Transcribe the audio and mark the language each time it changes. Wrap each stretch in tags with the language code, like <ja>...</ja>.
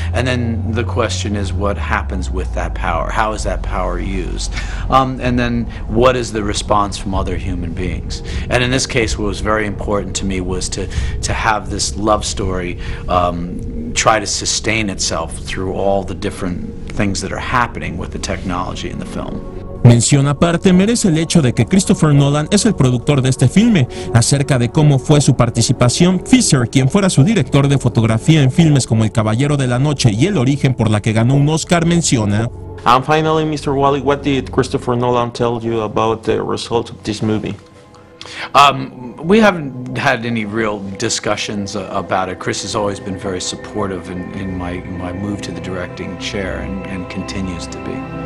<en>And then the question is, what happens with that power? How is that power used? And then what is the response from other human beings? And in this case, what was very important to me was to have this love story try to sustain itself through all the different things that are happening with the technology in the film.</en> <es>Mención aparte merece el hecho de que Christopher Nolan es el productor de este filme. Acerca de cómo fue su participación, Fisher, quien fuera su director de fotografía en filmes como El Caballero de la Noche y El Origen, por la que ganó un Oscar, menciona:</es> <en>And finally, Mr. Wally, what did Christopher Nolan tell you about the result of this movie? We haven't had any real discussions about it. Chris has always been very supportive in my move to the directing chair, and continues to be.</en>